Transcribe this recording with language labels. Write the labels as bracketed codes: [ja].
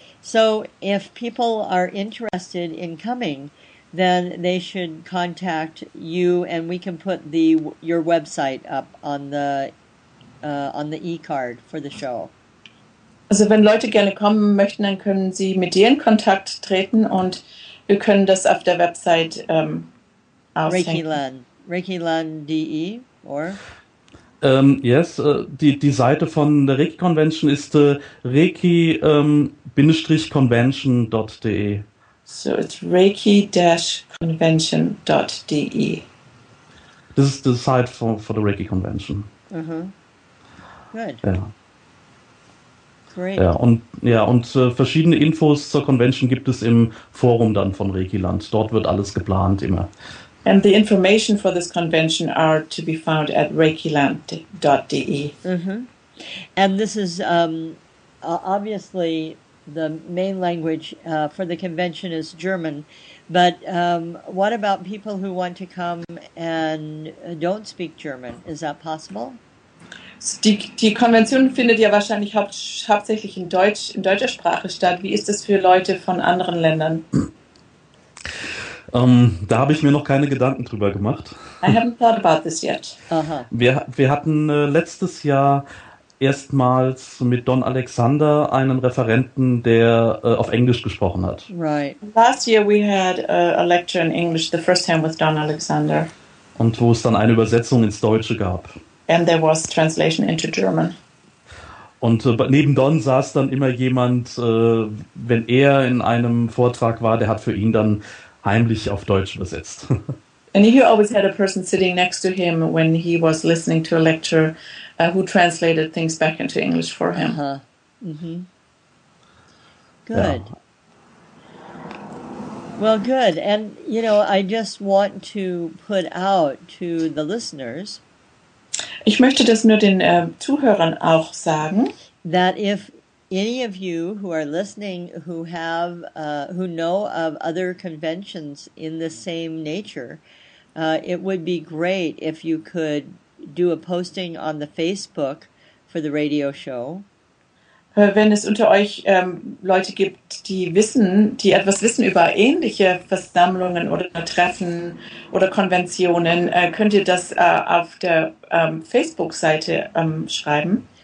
[en] So if people are interested in coming, then they should contact you and we can put your website up on the e-card for the show. [de] Also wenn Leute gerne kommen möchten, dann können sie mit dir in Kontakt treten und wir können das auf der Website [en] ReikiLearn.de or? Yes, [de] die Seite von der Reiki Convention ist reiki-convention.de. [en] So it's reiki-convention.de. This is the site for the Reiki Convention. Mm-hmm. Good. [de] Ja. [en] Great. [de] Und verschiedene Infos zur Convention gibt es im Forum dann von ReikiLearn. Dort wird alles geplant immer. [en] And the information for this convention are to be found at reikiland.de. Mm-hmm. And this is obviously the main language for the convention is German. But what about people who want to come and don't speak German? Is that possible? [de] So die Konvention findet ja wahrscheinlich hauptsächlich in deutscher Sprache statt. Wie ist das für Leute von anderen Ländern? Da habe ich mir noch keine Gedanken drüber gemacht. [en] I haven't thought about this yet. Uh-huh. [de] Wir hatten letztes Jahr erstmals mit Don Alexander einen Referenten, der auf Englisch gesprochen hat. [en] Right. Last year we had a lecture in English, the first time with Don Alexander. [de] Und wo es dann eine Übersetzung ins Deutsche gab. [en] And there was translation into German. [de] Und neben Don saß dann immer jemand, wenn er in einem Vortrag war, der hat für ihn dann heimlich auf Deutsch übersetzt. [en] And he always had a person sitting next to him when he was listening to a lecture who translated things back into English for him. Uh-huh. Mm-hmm. Good. Yeah. Well, good. And, you know, I just want to put out to the listeners. [de] Ich möchte das nur den Zuhörern auch sagen. [en] That if any of you who are listening who have who know of other conventions in the same nature, it would be great if you could do a posting on the Facebook for the radio show. [de] Wenn es unter euch Leute gibt, die etwas wissen über ähnliche Versammlungen oder Treffen oder Konventionen, könnt ihr das auf der Facebook-Seite schreiben.